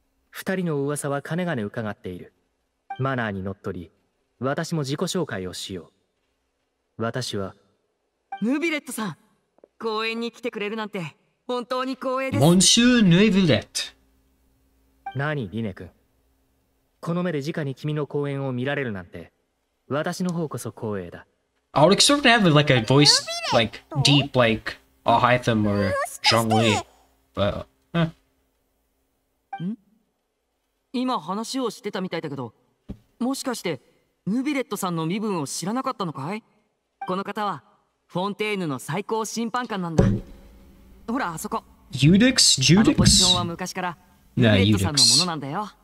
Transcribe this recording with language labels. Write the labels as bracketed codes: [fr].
[ja] 二人の噂は金々伺っている。マナーにのっとり、私も自己紹介をしよう。私はヌビレットさん、公園に来てくれるなんて本当に光栄です。モンシューヌビレット。何リネ君。この目で直に君の公演を見られるなんて、私の方こそ光栄だ。 [en] I would expect to have like a voice like deep like a Hytham or Zhong Li, but. [ja] 今話をしてたみたいだけど、もしかしてヌビレットさんの身分を知らなかったのかい？この方はフォンテーヌの最高審判官なんだ。ほらあそこ。 [en] Judex, Judex. [ja] あのポジションは昔からヌビレットさんのものなんだよ。